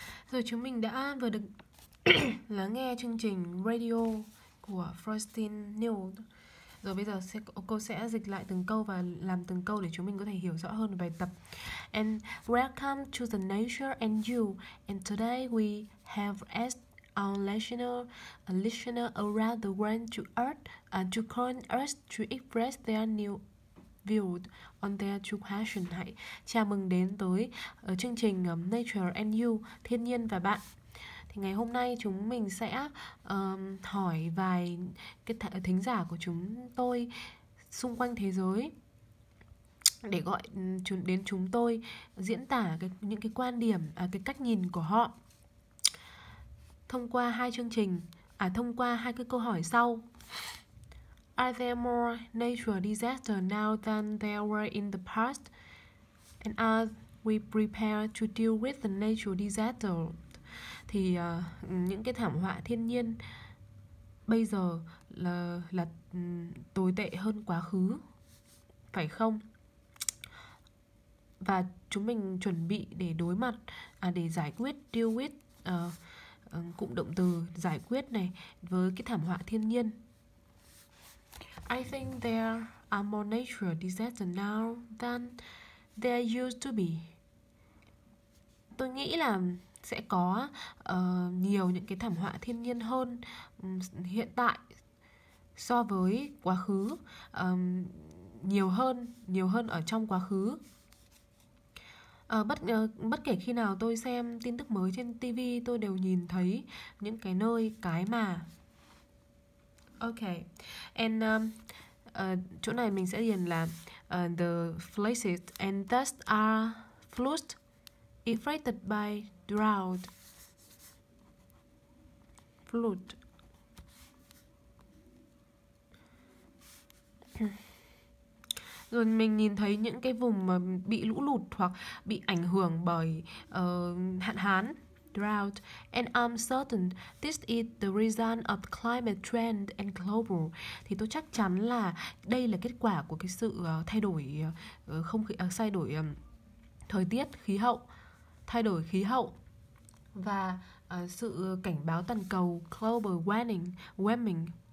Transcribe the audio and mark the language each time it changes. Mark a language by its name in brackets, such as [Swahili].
[Vietnamese] Rồi chúng mình đã vừa được lắng nghe chương trình radio của Frostin News. Rồi bây giờ cô sẽ dịch lại từng câu và làm từng câu để chúng mình có thể hiểu rõ hơn bài tập. [English] And welcome to the Nature and You. And today we have asked our listener around the world to earth to call us to express their new viewed on their two questions. [Vietnamese] Hãy chào mừng đến tới chương trình Nature and You, thiên nhiên và bạn. Thì ngày hôm nay chúng mình sẽ hỏi vài cái thính giả của chúng tôi xung quanh thế giới để gọi đến chúng tôi diễn tả những cái quan điểm, cái cách nhìn của họ thông qua hai chương trình, thông qua hai cái câu hỏi sau. [English] Are there more natural disasters now than there were in the past? And are we prepared to deal with the natural disaster? [Vietnamese] Thì những cái thảm họa thiên nhiên bây giờ là tồi tệ hơn quá khứ, phải không? Và chúng mình chuẩn bị để đối mặt, để giải quyết, deal with, cụm động từ giải quyết này, với cái thảm họa thiên nhiên. [English] I think there are more natural disasters now than there used to be. [Vietnamese] Tôi nghĩ là sẽ có nhiều những cái thảm họa thiên nhiên hơn hiện tại so với quá khứ, nhiều hơn ở trong quá khứ. Bất kể khi nào tôi xem tin tức mới trên TV, tôi đều nhìn thấy những cái nơi cái mà. [English] Okay, and [Vietnamese] chỗ này mình sẽ điền là [English] the places and that are flooded, affected by drought. Flood. [Vietnamese] Rồi mình nhìn thấy những cái vùng mà bị lũ lụt hoặc bị ảnh hưởng bởi hạn hán, drought. [English] And I'm certain this is the result of climate trend and global. [Vietnamese] Thì tôi chắc chắn là đây là kết quả của cái sự thay đổi không khí, thay đổi thời tiết, khí hậu, thay đổi khí hậu và sự cảnh báo toàn cầu, global warming.